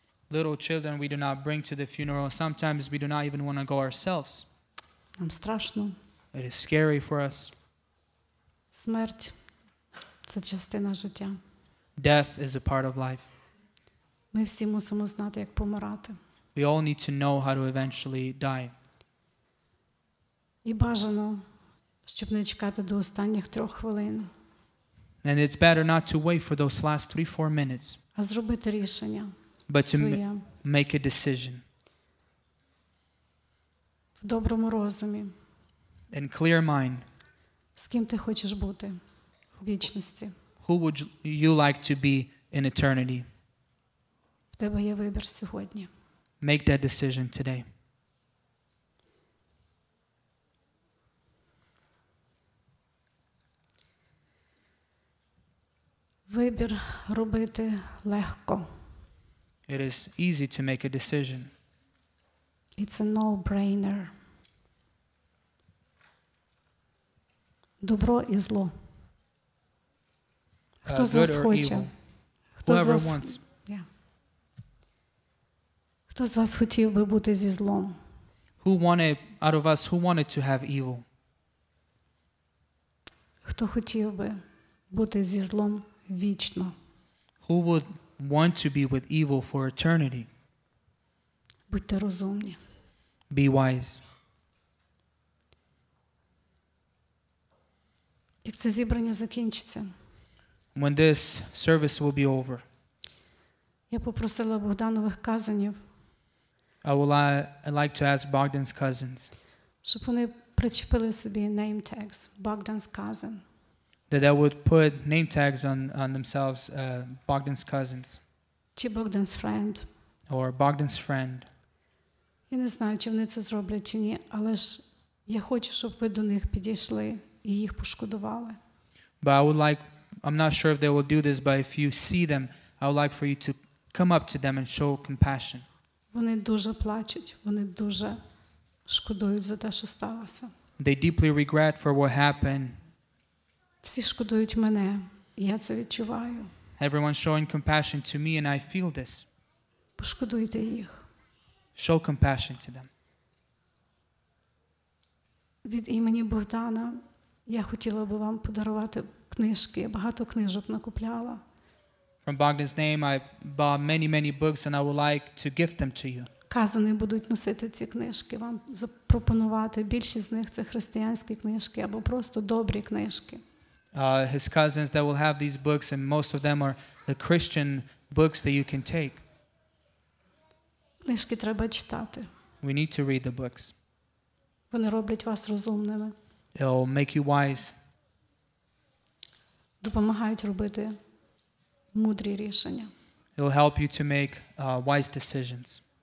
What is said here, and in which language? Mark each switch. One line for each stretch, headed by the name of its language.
English: Little children we do not bring to the funeral. Sometimes we do not even want to go ourselves.
Ukrainian: Нам страшно.
English: It is scary for us.
Ukrainian: Смерть – це частина життя.
English: Death is a part of life.
Ukrainian: Ми всі мусимо знати, як помирати.
English: We all need to know how to eventually die.
Ukrainian: І бажано, щоб не чекати до останніх 3 хвилин.
English: And it's better not to wait for those last 3-4 minutes.
Ukrainian: А зробити рішення.
English: But to make a decision.
Ukrainian: В доброму розумі.
English: In clear mind.
Ukrainian: З ким ти хочеш бути в вічності?
English: Who would you like to be in eternity?
Ukrainian: В тебе є вибір сьогодні.
English: Make that decision today.
Ukrainian: Вибір робити легко.
English: It is easy to make a decision. It's a no-brainer.
Ukrainian: Добро і зло. Хто з вас хоче?
English: Whoever wants.
Ukrainian: Хто з вас хотів би бути зі злом?
English: Who wanted, out of us, who wanted to have evil?
Ukrainian: Хто хотів би бути зі злом вічно?
English: Who would want to be with evil for eternity?
Ukrainian: Будьте розумні.
English: Be wise.
Ukrainian: Як це зібрання закінчиться?
English: When this service will be over.
Ukrainian: Я попросила Богданових казанів.
English: I'd like to ask Bogdan's cousins.
Ukrainian: Щоб вони причепили собі
English: name tags, Bogdan's cousin. That they would put name tags on themselves, Bogdan's cousins.
Ukrainian: Чи
English: Bogdan's friend. Or Bogdan's friend.
Ukrainian: Я не знаю, чи вони це зроблять чи ні, але ж я хочу, щоб ви до них підійшли і їх пошкодували.
English: But I would like, I'm not sure if they will do this, but if you see them, I would like for you to come up to them and show compassion.
Ukrainian: Вони дуже плачуть, вони дуже шкодують за те, що сталося.
English: They deeply regret for what happened.
Ukrainian: Всі шкодують мене, я це відчуваю.
English: Everyone's showing compassion to me and I feel this.
Ukrainian: Пошкодуйте їх.
English: Show compassion to them.
Ukrainian: Від імені Богдана я хотіла би вам подарувати книжки. Я багато книжок накупляла.
English: From Bogdan's name I bought many, many books and I would like to gift them to you.
Ukrainian: Казани будуть носити ці книжки, вам запропонувати. Більшість з них це християнські книжки або просто добрі книжки.
English: His cousins that will have these books and most of them are the Christian books that you can take.
Ukrainian: Книжки треба читати.
English: We need to read the books.
Ukrainian: Вони роблять вас розумними.
English: It'll make you wise.
Ukrainian: Допомагають робити мудрі рішення.
English: It'll help you to make wise decisions.